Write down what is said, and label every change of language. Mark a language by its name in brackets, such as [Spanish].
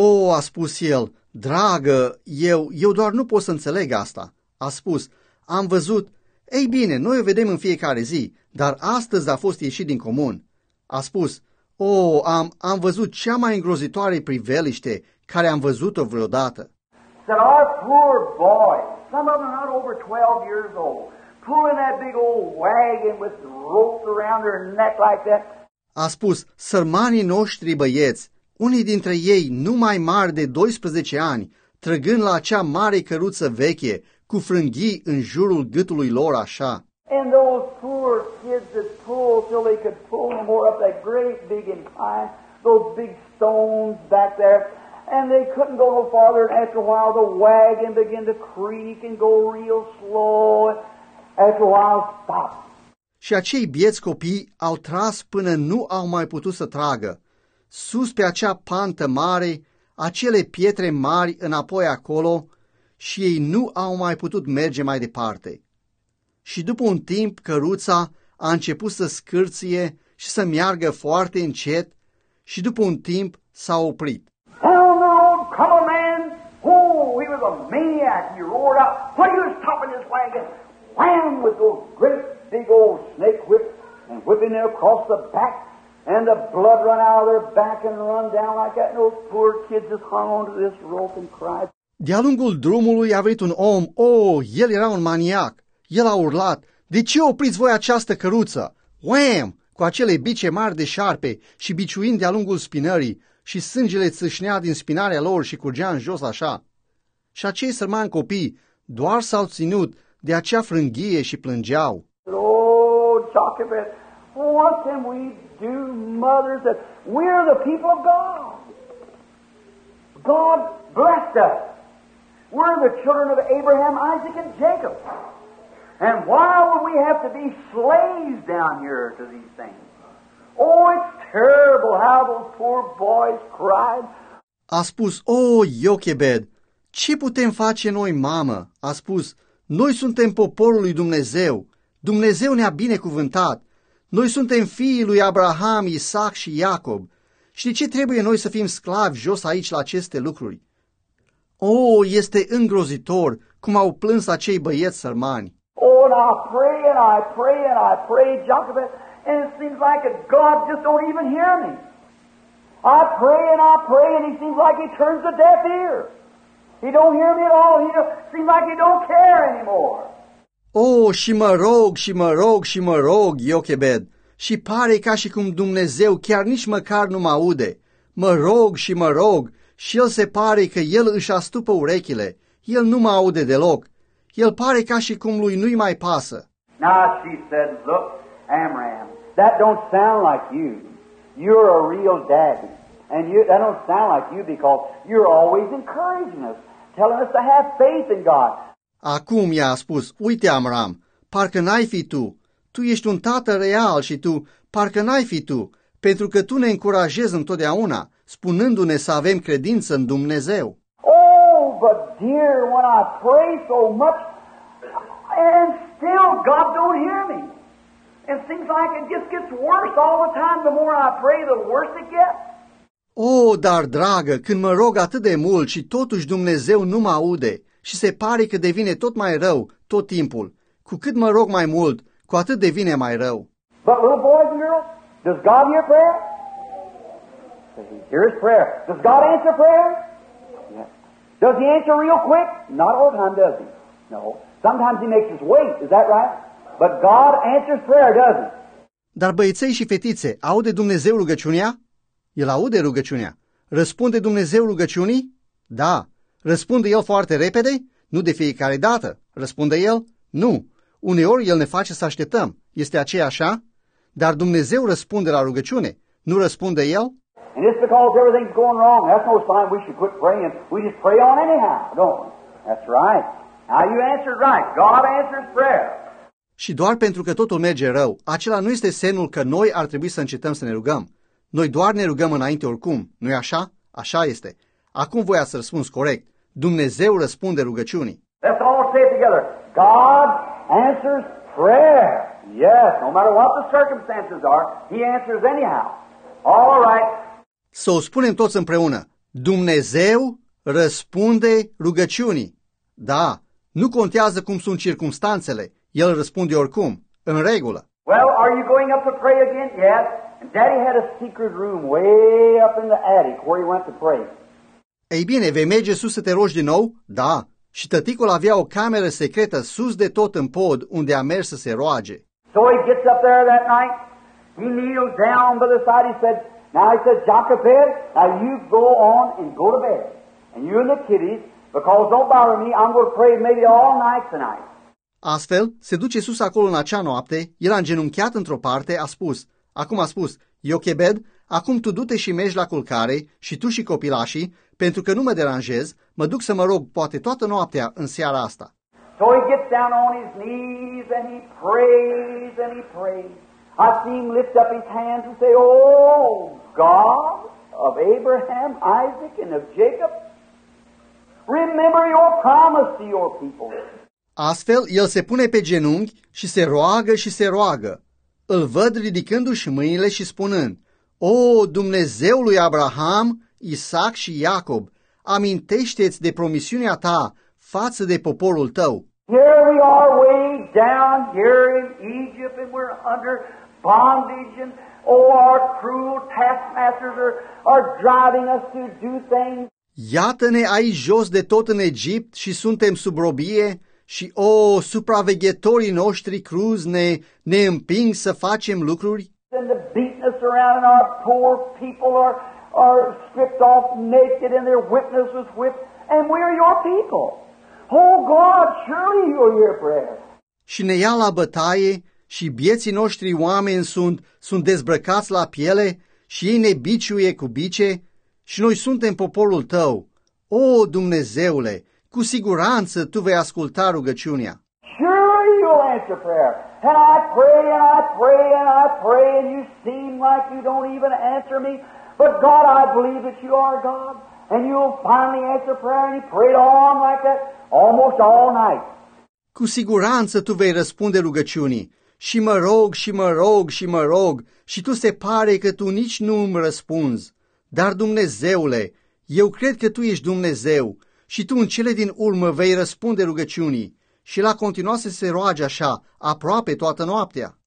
[Romanian] A spus el, dragă, eu doar nu pot să înțeleg asta. A spus, am văzut, Ei bine, noi o vedem în fiecare zi, dar astăzi a fost ieșit din comun. A spus, oh, am văzut cea mai îngrozitoare priveliște care am văzut-o vreodată. [English] Said our poor boy, some of them not over 12 years old, pulling that big old wagon with ropes around their neck like that. [Romanian] A spus, sărmanii noștri băieți, unii dintre ei numai mari de 12 ani, trăgând la acea mare căruță veche, cu frânghii în jurul gâtului lor așa. [English] And those poor kids that pulled till they could pull no more up that great big incline, those big stones back there, and they couldn't go no farther, and after a while the wagon began to creak and go real slow, and after a while stopped. [Romanian] Și acei bieți copii au tras până nu au mai putut să tragă. Sus pe acea pantă mare, acele pietre mari înapoi acolo, și ei nu au mai putut merge mai departe. Și după un timp, căruța a început să scârție și să meargă foarte încet și după un timp s-a oprit. [English] Down the road, come a man! Oh, he was a maniac! He roared out, what are you stopping this wagon? Wham! With those great big old snake whips and whipping them across the back and the blood run out of their back and run down like that. And those poor kids just hung onto this rope and cried. [Romanian] De-a lungul drumului a venit un om, oh, el era un maniac. El a urlat, de ce opriți voi această căruță? Wham! Cu acele bice mari de șarpe și biciuind de-a lungul spinării și sângele țâșnea din spinarea lor și curgea în jos așa. Și acei sărmani copii doar s-au ținut de acea frânghie și plângeau. [English] Oh, Jochebed, what can we do, mother, that we are the people of God? God blessed us. We're the children of Abraham, Isaac, and Jacob. And why would we have to be slaves down here to these things? Oh, it's terrible how those poor boys cried. [Romanian] A spus, oh, Jochebed, ce putem face noi, mamă? A spus, noi suntem poporul lui Dumnezeu. Dumnezeu ne-a binecuvântat. Noi suntem fiii lui Abraham, Isaac și Iacob. Și de ce trebuie noi să fim sclavi jos aici la aceste lucruri? Oh, este îngrozitor cum au plâns acei băieți sărmani. [English] Oh, and I pray and I pray and I pray, Jochebed, and it seems like God just don't even hear me. I pray and I pray and he seems like he turns a deaf ear. He don't hear me at all. He seems like he don't care anymore. [Romanian] Oh, și mă rog și mă rog și mă rog, Jochebed, și pare ca și cum Dumnezeu chiar nici măcar nu mă aude. Mă rog și mă rog. Și el se pare că el își astupă urechile. El nu mă aude deloc. El pare ca și cum lui nu-i mai pasă. [English] Now she said, look, Amram, that don't sound like you. You're a real daddy. And you, that don't sound like you because you're always encouraging us, telling us to have faith in God. [Romanian] Acum i-a spus, uite, Amram, parcă n-ai fi tu. Tu ești un tată real și tu, parcă n-ai fi tu, pentru că tu ne încurajezi întotdeauna, spunându-ne să avem credință în Dumnezeu. [English] Oh, but dear, when I pray so much, and still God don't hear me. And seems like it just gets worse all the time. The more I pray, the worse it gets. [Romanian] Oh, dar dragă, când mă rog atât de mult și totuși Dumnezeu nu mă aude și se pare că devine tot mai rău tot timpul, cu cât mă rog mai mult, cu atât devine mai rău. [English] But little boys and girls, does God hear prayer? He hears prayer. Does God answer prayer? Yes. Does he answer real quick? Not all the time, does he? No. Sometimes he makes us wait, is that right? But God answers prayer, does he? [Romanian] Dar băieței și fetițe, aude Dumnezeu rugăciunea? El aude rugăciunea. Răspunde Dumnezeu rugăciunii? Da. Răspunde el foarte repede? Nu de fiecare dată. Răspunde el? Nu. Uneori el ne face să așteptăm. Este aceea așa? Dar Dumnezeu răspunde la rugăciune. Nu răspunde el? [English] And it's because everything's going wrong. That's no sign we should quit praying. We just pray on anyhow, don't we? That's right. Now you answered right. God answers prayer. [Romanian] Și doar pentru că totul merge rău, acela nu este semnul că noi ar trebui să încetăm să ne rugăm. Noi doar ne rugăm înainte oricum, nu-i așa? Așa este. Acum voi ați răspuns corect. Dumnezeu răspunde rugăciunii. [English] Let's all say it together. God answers prayer. Yes, no matter what the circumstances are, he answers anyhow. All right. [Romanian] Să o spunem toți împreună. Dumnezeu răspunde rugăciunii. Da, nu contează cum sunt circumstanțele. El răspunde oricum, în regulă. [English] Well, are you going up to pray again? Yes. And Daddy had a secret room way up in the attic where he went to pray. [Romanian] Ei bine, vei merge sus să te rogi din nou? Da. Și tăticul avea o cameră secretă sus de tot în pod unde a mers să se roage. [English] So he gets up there that night. He kneels down by the side. He said, now he said, Jochebed, now you go on and go to bed. And you and the kiddies, because don't bother me, I'm going to pray maybe all night tonight. [Romanian] Astfel, se duce sus acolo în acea noapte, el a îngenunchiat într-o parte, a spus, Jochebed, acum tu du-te și mergi la culcare și tu și copilașii, pentru că nu mă deranjez, mă duc să mă rog poate toată noaptea în seara asta. [English] So he gets down on his knees and he prays and he prays. I see him lift up his hands and say, oh, God of Abraham, Isaac and of Jacob, remember your promise to your people. [Romanian] Astfel, el se pune pe genunchi și se roagă și se roagă. Îl văd ridicându-și mâinile și spunând, O, Dumnezeul lui Abraham, Isaac și Iacob, amintește-ți de promisiunea ta față de poporul tău. [English] Here we are way down here in Egypt and we're under bondage and oh, our cruel taskmasters are driving us to do things. [Romanian] Iată-ne aici jos de tot în Egipt și suntem sub robie. Și, oh, supraveghetorii noștri cruzi ne împing să facem lucruri? [English] And the beatness around our poor people are stripped off naked and their witness was whipped. And we are your people. Oh, God, surely you are your prayer. [Romanian] Și ne ia la bătaie și bieții noștri oameni sunt dezbrăcați la piele și ei ne biciuie cu bice și noi suntem poporul tău. Oh, Dumnezeule! Cu siguranță tu vei asculta rugăciunea. [English] Sure you answer prayer. And I pray and I pray and I pray and you seem like you don't even answer me. But God, I believe that you are God and you will finally answer prayer. And you prayed on like that almost all night. [Romanian] Cu siguranță tu vei răspunde rugăciunii. Și mă rog și mă rog și mă rog și tu se pare că tu nici nu îmi răspunzi. Dar Dumnezeule, eu cred că tu ești Dumnezeu. Și tu în cele din urmă vei răspunde rugăciunii. Și la continuă să se roage așa, aproape toată noaptea.